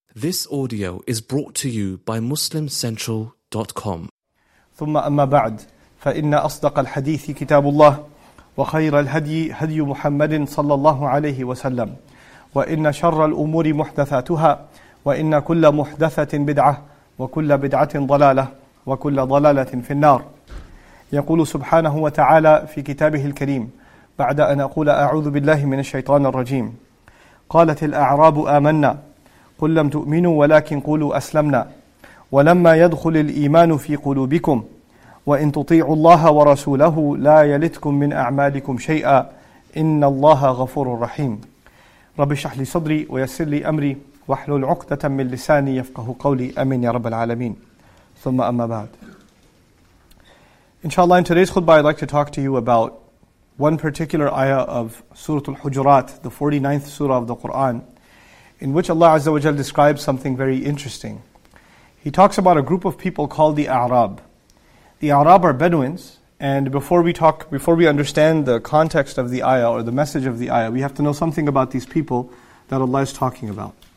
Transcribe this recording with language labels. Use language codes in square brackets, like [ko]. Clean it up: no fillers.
[en] This audio is brought to you by MuslimCentral.com. [ar] ثم أما بعد فإن أصدق الحديث كتاب الله وخير الهدي هدي محمد صلى الله عليه وسلم وإن شر الأمور محدثاتها وإن كل محدثة بدعة وكل بدعة ضلالة وكل ضلالة في النار. يقول سبحانه وتعالى في كتابه الكريم بعد أن أقول أعوذ بالله من الشيطان الرجيم قالت الأعراب آمنا قل لم تؤمنوا ولكن قولوا أسلمنا ولما يدخل الإيمان في قلوبكم وإن تطيعوا الله ورسوله لا يلتكم من أعمالكم شيئا إن الله غفور رحيم رب اشرح لي صدري ويسر لي أمري واحلل عقدة من لساني يفقه قولي أمين يا رب العالمين ثم أما بعد. [en] Inshallah, in today's khutbah, I'd like to talk to you about one particular ayah of Surah Al-Hujurat, the 49th surah of the Qur'an, in which Allah Azza wa Jal describes something very interesting. He talks about a group of people called the A'rab. The A'rab are Bedouins, and before we understand the context of the ayah or the message of the ayah, we have to know something about these people that Allah is talking about.